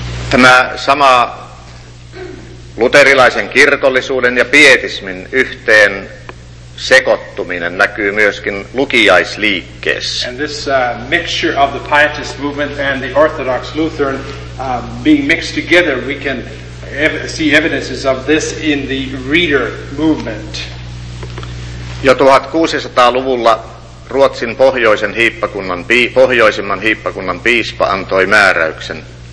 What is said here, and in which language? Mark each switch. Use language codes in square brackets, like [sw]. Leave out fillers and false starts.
[fi] Tämä sama luterilaisen kirkollisuuden ja pietismin yhteen sekoittuminen näkyy myöskin lukijaisliikkeessä. [en] And this mixture of the pietist movement and the Orthodox Lutheran being mixed together, we can see evidences of this in the reader movement. [fi] Jo 1600-luvulla Ruotsin pohjoisen hiippakunnan pohjoisimman hiippakunnan piispa antoi määräyksen.